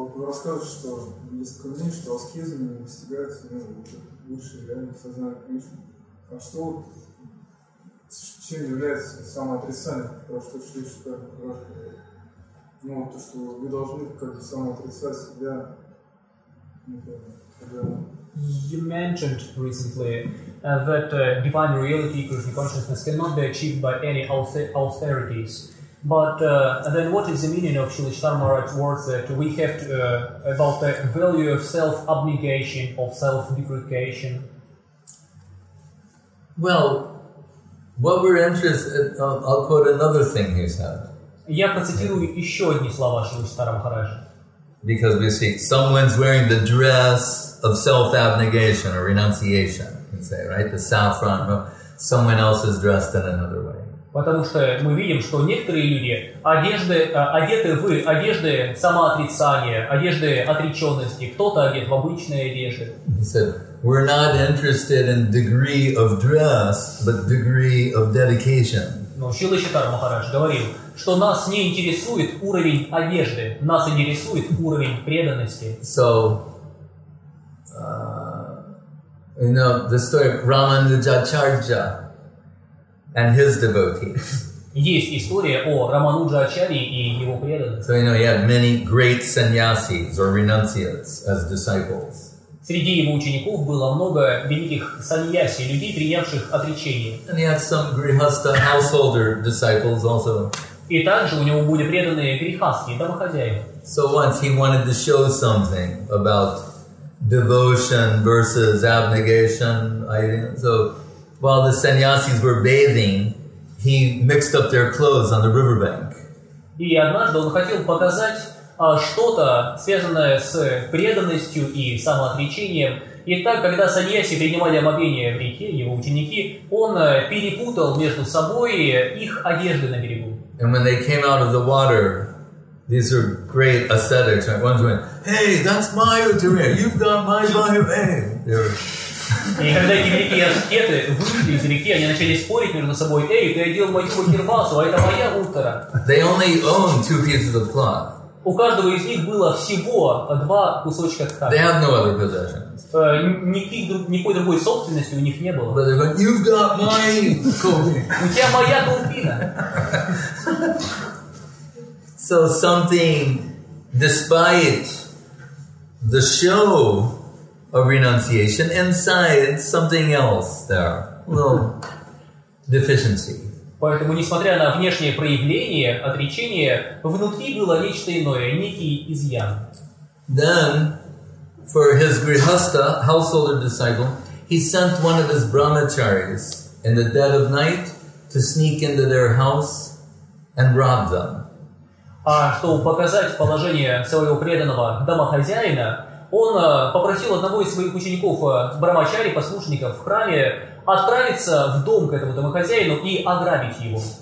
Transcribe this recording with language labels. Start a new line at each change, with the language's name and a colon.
Russian: рассказывает, что есть такое мнение, что аскезами достигается, ну, высшее реальное сознание Кришны. А что вот, чем является самоотрицание, про что Шри Шукадхара говорит? Ну, то, что вы должны как бы самоотрицать себя, когда...
English: You mentioned recently that divine reality, Krishna consciousness, cannot be achieved by any austerities. But then what is the meaning of Śrīla Śrīdhara-mārāja's words that we have to, about the value of self-abnegation, of self-deprecation? Well, what we're interested in, I'll quote another thing he said.
Russian: Я процитирую еще одни слова Śrīla Śrīdhara-mārājā.
English: Because we see someone's wearing the dress of self-abnegation or renunciation, you can say, right? The saffron robe. Someone else is dressed in another way.
Russian: Потому что мы видим, что некоторые люди одеты в одежды самоотрицания, одежды отреченности. Кто-то одет в обычные одежды.
English: He said, we're not interested in degree of dress, but degree of dedication.
Russian: Но Śrīla Śrīdhara-mārājā говорил, что нас не интересует уровень одежды, нас интересует уровень преданности.
English: So, you know, the story of Ramanujacharya and his devotees.
Russian: Есть история о Рамануджачарье и его преданных.
English: So, you know, he had many great sannyasis or renunciates as disciples.
Russian: Среди его учеников было много великих саньяси, людей, принявших отречение.
English: And he had some grihastha householder disciples also.
Russian: И также у него были преданные грихасхи, домохозяева.
English: So once he wanted to show something about devotion versus abnegation. So while the sannyasis were bathing, he mixed up their clothes on the riverbank.
Russian: И однажды он хотел показать что-то, связанное с преданностью и самоотречением. И так, когда саньяси принимали омовение в реке, его ученики, он перепутал между собой их одежды на берегу.
English: And when they came out of the water, these are great ascetics. Right? One's going, hey, that's my Uttariya. You've got my Uttariya.
Russian: И когда эти великие аскеты вышли из реки, они начали спорить между собой, эй, ты одел мою Уттарвасу, а это моя Уттара.
English: They only own two pieces of cloth.
Russian: У каждого из них было всего два кусочка ткани.
English: They have no other possessions.
Russian: Никакой другой собственности у них не было.
English: But they're going, you've got my
Russian: У тебя моя колпина.
English: So something, despite the show of renunciation, inside something else there. Little deficiency.
Russian: Поэтому, несмотря на внешнее проявление, отречение, внутри было нечто иное, некий изъян.
English: Then, for his grihastha, householder disciple, he sent one of his brahmacharis in the dead of night to sneak into their house and rob them.
Russian: А чтобы показать положение своего преданного домохозяина, он попросил одного из своих учеников, брахмачари, послушников в храме, отправиться в дом к этому домохозяину и ограбить его.